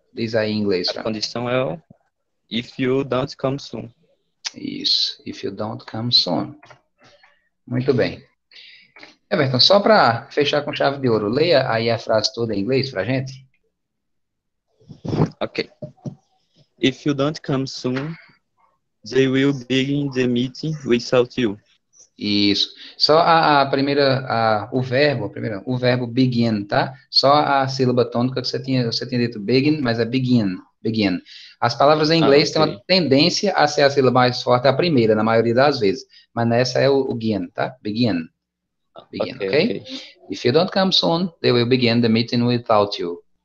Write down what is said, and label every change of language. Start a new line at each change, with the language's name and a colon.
Portuguese: Diz aí em inglês, A Fran. condição é o
English: if you don't come soon.
Portuguese: Isso.
English: If you don't come soon.
Portuguese: Muito bem. Everton, só para fechar com chave de ouro, leia aí a frase toda em inglês para a gente. Ok.
English: If you don't come soon, they will begin the meeting without you.
Portuguese: Isso. Só a primeira, o verbo begin, tá? Só a sílaba tônica que você tinha dito begin, mas é begin, begin. As palavras em Ah, inglês têm uma ok. tendência a ser a sílaba mais forte a primeira, na maioria das vezes. Mas nessa é o begin, tá? Begin. Begin, ok? Ok.
English: If you don't come soon, they will begin the meeting without you.